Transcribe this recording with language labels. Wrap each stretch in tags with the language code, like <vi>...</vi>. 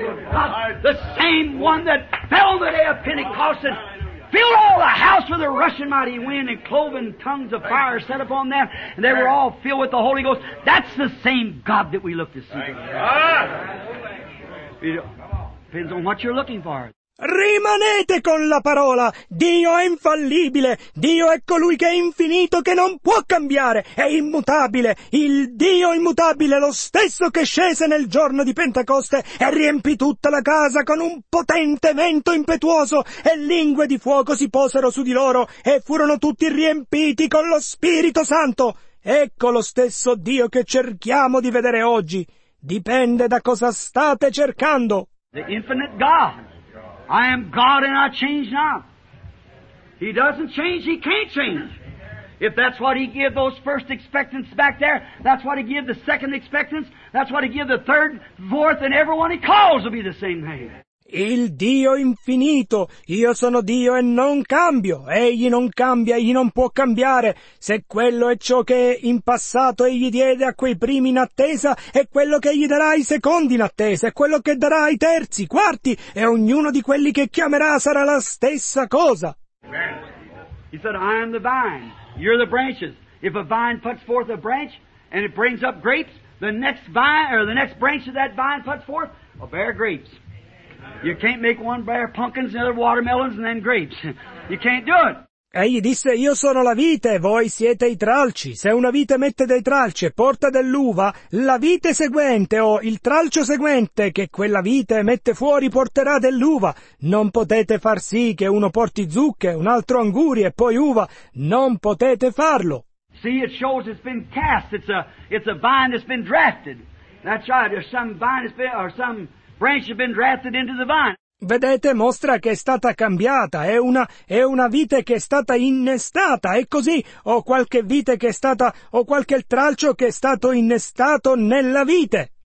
<en>God, the same one that fell the day of Pentecost and filled all the house with a rushing mighty wind and cloven tongues of fire set upon them, and they were all filled with the Holy Ghost. That's the same God that we look to see. It depends on what you're looking for.</en> <it>Rimanete con la parola! Dio è infallibile! Dio è colui che è infinito, che non può cambiare! È immutabile! Il Dio immutabile, lo stesso che scese nel giorno di Pentecoste e riempì tutta la casa con un potente vento impetuoso e lingue di fuoco si posero su di loro e furono tutti riempiti con lo Spirito Santo! Ecco lo stesso Dio che cerchiamo di vedere oggi! Dipende da cosa state cercando!</it> <en>The infinite God! I am God and I change not. He doesn't change, he can't change. If that's what he gave those first expectants back there, that's what he gave the second expectants, that's what he gave the third, fourth, and everyone he calls will be the same thing.</en> <it>Il Dio infinito, io sono Dio e non cambio, egli non cambia, egli non può cambiare, se quello è ciò che in passato egli diede a quei primi in attesa, è quello che egli darà ai secondi in attesa, è quello che darà ai terzi, quarti, e ognuno di quelli che chiamerà sarà la stessa cosa.</it> <en>He said, I am the vine, you're the branches. If a vine puts forth a branch and it brings up grapes, the next vine or the next branch of that vine puts forth will bear grapes. You can't make one bear pumpkins, another watermelons, and then grapes. You can't do it.</en> <it>Egli disse, io sono la vite, voi siete i tralci. Se una vite mette dei tralci e porta dell'uva, la vite seguente o il tralcio seguente che quella vite mette fuori porterà dell'uva. Non potete far sì che uno porti zucche, un altro anguri e poi uva. Non potete farlo.</it> <en>See, it shows it's been cast. It's a vine that's been drafted. That's right. There's some vine that's been, or some branch has been drafted into the vine.</en> <it>Vedete, mostra che è stata cambiata, è una vite che è stata innestata, è così, o qualche vite che è stata, o qualche tralcio che è stato innestato nella vite.</it>